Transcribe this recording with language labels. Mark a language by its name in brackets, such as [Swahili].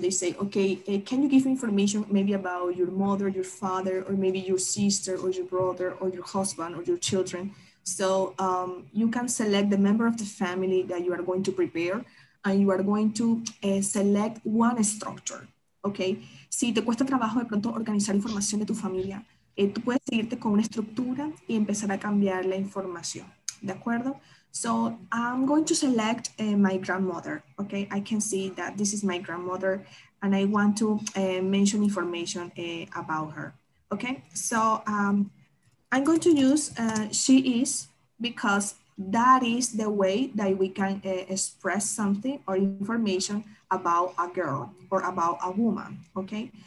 [English] They say, okay, can you give information maybe about your mother, your father, or maybe your sister or your brother or your husband or your children? So you can select the member of the family that you are going to prepare and you are going to select one structure, okay? [Spanish] Si te cuesta trabajo de pronto organizar información de tu familia, tú puedes seguirte con una estructura y empezar a cambiar la información, ¿de acuerdo? [English] So I'm going to select my grandmother, okay? I can see that this is my grandmother and I want to mention information about her, okay? So I'm going to use she is because that is the way that we can express something or information about a girl or about a woman, okay?